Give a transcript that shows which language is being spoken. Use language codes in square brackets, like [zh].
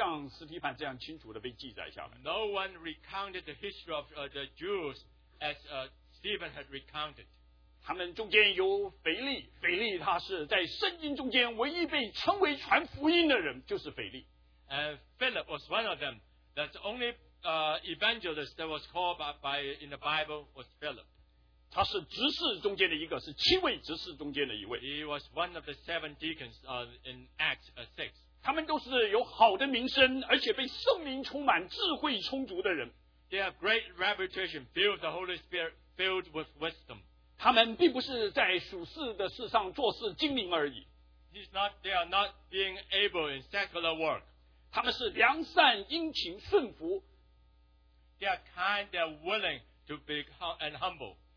[zh] 在整本的圣经中间讲以色列过去的历史，没有人讲的像使徒这样清楚的被记载下来。 [en] No one recounted the history of the Jews as a Stephen had recounted. [zh] 他们中间有腓力，腓力他是在圣经中间唯一被称为传福音的人，就是腓力。 [en] And Philip was one of them. That's the only evangelist that was called by in the Bible was Philip. [zh] 他是执事中间的一个，是七位执事中间的一位。 [en] He was one of the seven deacons in Acts 6. [zh] 他们都是有好的名声，而且被圣灵充满，智慧充足的人。 [en] They have great reputation, filled with the Holy Spirit. Filled with wisdom. [zh] 他们并不是在属事的事上做事精明而已。 [en] They are not being able in secular work. [zh] 他们是良善殷勤顺服。 [en] They are kind, they are willing to be and humble.